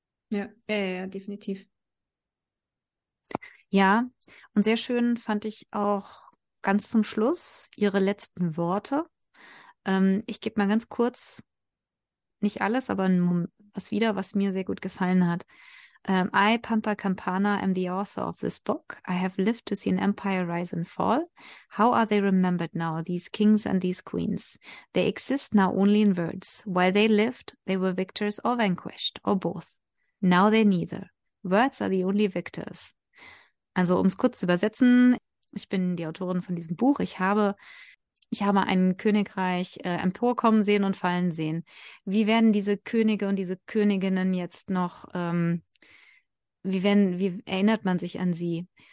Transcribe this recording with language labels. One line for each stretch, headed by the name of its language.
German: Ja, definitiv. Ja, und sehr schön fand ich auch ganz zum Schluss ihre letzten Worte. Ich gebe mal ganz kurz, nicht alles, aber was mir sehr gut gefallen hat.
English: I, Pampa Campana, am the author of this book. I have lived to see an empire rise and fall. How are they remembered now, these kings and these queens? They exist now only in words. While they lived, they were victors or vanquished, or both. Now they're neither. Words are the only victors.
German: Also, um es kurz zu übersetzen, ich bin die Autorin von diesem Buch. Ich habe ein Königreich emporkommen sehen und fallen sehen. Wie werden diese Könige und diese Königinnen jetzt noch, wie erinnert man sich an sie?